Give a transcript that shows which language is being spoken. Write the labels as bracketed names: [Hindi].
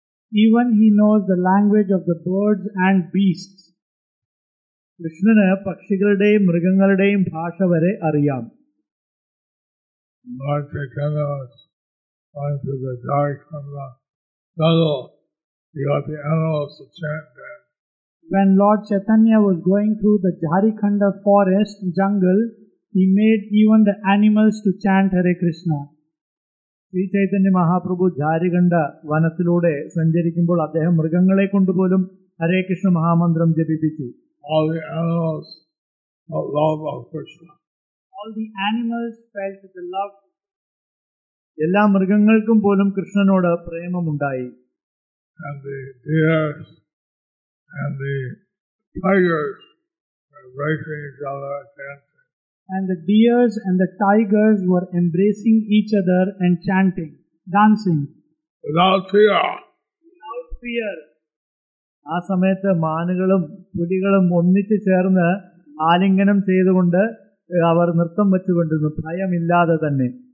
[English] Even he knows the language of the birds and beasts. [Malayalam] കൃഷ്ണന് പക്ഷികളുടെയും മൃഗങ്ങളുടെയും ഭാഷ വരെ അറിയാം. [English] Lord Chaitanya was going to the dark from the jungle. He got the animals to chant there. When Lord Chaitanya was going through the Jharkhand forest jungle, he made even the animals to chant Hare Krishna. [Malayalam] Shri Chaitanya Mahaprabhu ജാരികണ്ഠ വനത്തിലൂടെ സഞ്ചരിക്കുമ്പോൾ അദ്ദേഹം മൃഗങ്ങളെ കൊണ്ടുപോലും ഹരേ Krishna മഹാമന്ത്രം ജപിപ്പിച്ചു. [English] All the animals felt love of Krishna. All the animals felt the love. [Malayalam] എല്ലാ മൃഗങ്ങൾക്കും പോലും കൃഷ്ണനോട് പ്രേമമുണ്ടായി. [English] And the deers and the tigers were embracing each other and chanting. And the deers and the tigers were embracing each other and chanting, dancing. Without fear. Without fear. [Malayalam] ആ സമയത്ത് മാനുകളും പുലികളും ഒന്നിച്ചു ചേർന്ന് ആലിംഗനം ചെയ്തുകൊണ്ട് അവർ നൃത്തം വെച്ചുകൊണ്ടിരുന്നു, ഭയമില്ലാതെ തന്നെ.